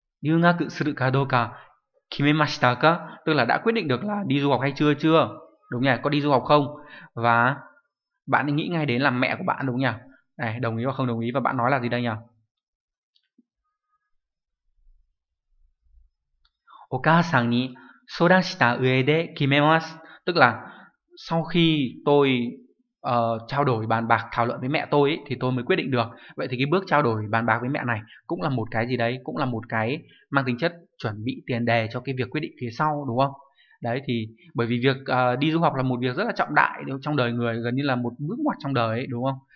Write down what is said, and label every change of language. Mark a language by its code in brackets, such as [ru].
[ja] Yu ngaku suru ka dou ka kimemashita ka, [vi] tức là đã quyết định được là đi du học hay chưa chưa, đúng nhỉ, có đi du học không, và bạn ấy nghĩ ngay đến là mẹ của bạn, đúng nhỉ, này đồng ý hoặc không đồng ý, và bạn nói là gì đây nhỉ? [ja] お母さんに相談した上で決めます。 [vi] Tức là sau khi tôi trao đổi bàn bạc thảo luận với mẹ tôi ấy, thì tôi mới quyết định được. Vậy thì cái bước trao đổi bàn bạc với mẹ này cũng là một cái gì đấy, cũng là một cái mang tính chất chuẩn bị tiền đề cho cái việc quyết định phía sau, đúng không? Đấy, thì bởi vì việc đi du học là một việc rất là trọng đại trong đời người, gần như là một bước ngoặt trong đời ấy, đúng không?